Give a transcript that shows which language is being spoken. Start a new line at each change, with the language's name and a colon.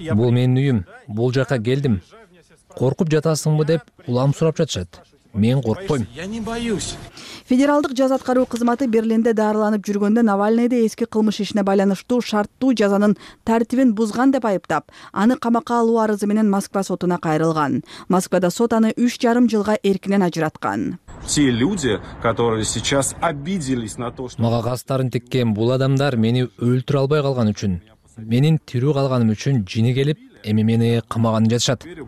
Kyrgyz: Бул менин үйүм. Бул жака келдим. Коркуп жатасыңбы деп улам сурап жатышат. мен коркпойм. Федералдык жаз аткаруу кызматы Берлинде даарланып жүргөндө Навальныйды эски кылмыш ишине байланыштуу шарттуу жазанын тартибин бузган деп айыптап, аны камакка алуу арызы менен Москва сотуна кайрылган. Москвада сот аны 3,5 жылга эркинен ажыраткан.
Russian: Те люди, которые сейчас обиделись на то, что
Kyrgyz: мага кастарын тиккен бул адамдар мени өлтүрө албай калган үчүн, менин тирүү калганым үчүн жини келип, эми мени камаганы жатышат.